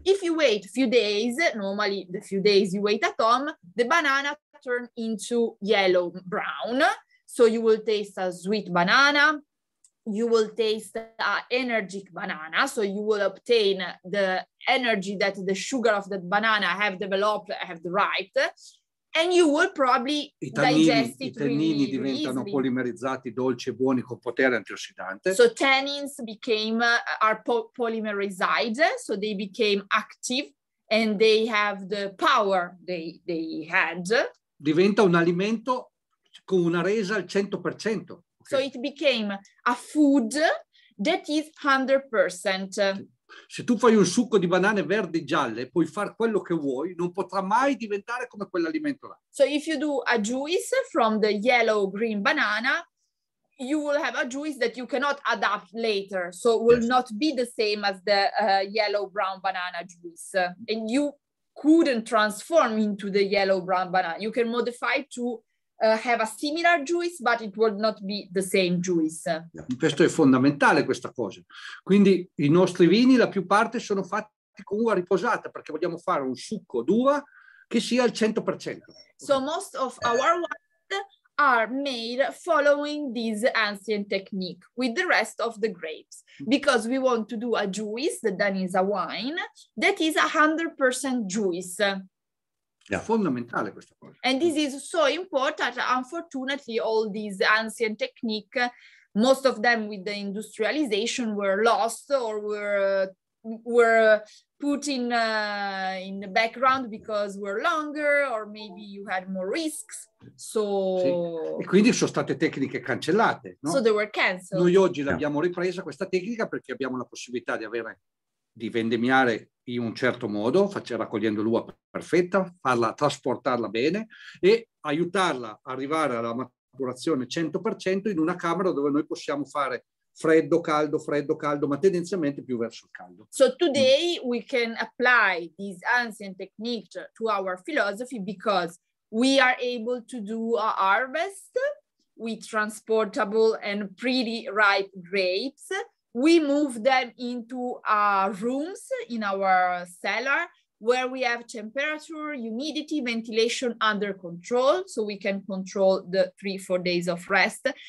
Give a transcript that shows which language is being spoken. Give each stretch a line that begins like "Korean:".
English: If you wait a few days, normally the few days you wait at home, the banana turn into yellow brown. So you will taste a sweet banana. You will taste an energetic banana, so you will obtain the energy that the sugar of that banana have developed, have derived, and you will probably digest it.
Italian: I tannini diventano polimerizzati, dolci e buoni, con potere antiossidante.
English: So tannins became polymerized, so they became active, and they have the power they had.
Italian: Diventa un alimento con una resa al 100%.
English: So it became a food that is 100%.
Italian: Se tu fai un succo di banane verdi gialle, puoi far quello che vuoi, non potrà mai diventare come quell'alimento là.
English: So if you do a juice from the yellow green banana, you will have a juice that you cannot adapt later. So will, yes, not be the same as the yellow brown banana juice. And you couldn't transform into the yellow brown banana. You can modify to have a similar juice, but it would not be the same juice.
Italian: Questo è fondamentale, questa cosa. Quindi i nostri vini, la più parte, sono fatti con uva riposata, perché vogliamo fare un succo d'uva che sia al 100%.
English: So most of our wines are made following this ancient technique with the rest of the grapes, because we want to do a juice that then is a wine that is 100% juice.
Italian: Yeah. Fondamentale questa cosa.
English: And this is so important. Unfortunately, all these ancient techniques, most of them with the industrialization, were lost or were put in the background because were longer or maybe you had more risks. So
Italian: sì. E quindi sono state tecniche cancellate, no?
English: So they were canceled.
Italian: Noi oggi l'abbiamo ripresa questa tecnica perché abbiamo la possibilità di avere di vendemmiare in un certo modo, raccogliendo l'uva perfetta, farla, trasportarla bene e aiutarla a arrivare alla maturazione 100% in una camera dove noi possiamo fare freddo, caldo, ma tendenzialmente più verso il caldo.
English: So today we can apply this ancient technique to our philosophy because we are able to do a harvest with transportable and pretty ripe grapes. We move them into rooms in our cellar where we have temperature, humidity, ventilation under control, so we can control the 3-4 days of rest.